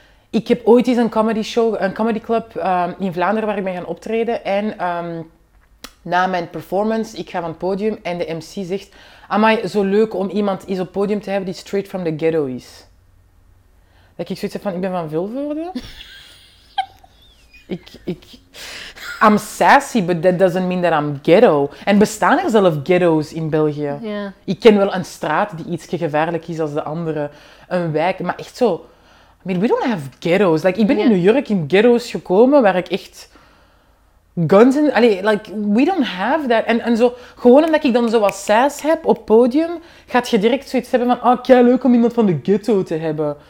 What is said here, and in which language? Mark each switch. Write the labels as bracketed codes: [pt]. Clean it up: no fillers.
[nl] Ik heb ooit eens een comedy club in Vlaanderen waar ik ben gaan optreden. En na mijn performance, ik ga van het podium en de MC zegt... Amai, zo leuk om iemand eens op het podium te hebben die [en] straight from the ghetto [nl] is. Dat ik zoiets heb van, ik ben van Vilvoorde. [en] I'm sassy, but that doesn't mean that I'm ghetto. [nl] En bestaan er zelf ghettos in België? [en] Yeah. [nl] Ik ken wel een straat die ietsje gevaarlijk is als de andere. Een wijk, maar echt zo... Maar [en] we don't have ghettos. Like, [nl] ik ben in New York in ghettos gekomen waar ik echt guns in... Allee, [en] like, we don't have that. [nl] En zo, gewoon omdat ik dan zo wat sass heb op podium, gaat je direct zoiets hebben van, oh, kei leuk om iemand van de ghetto te hebben.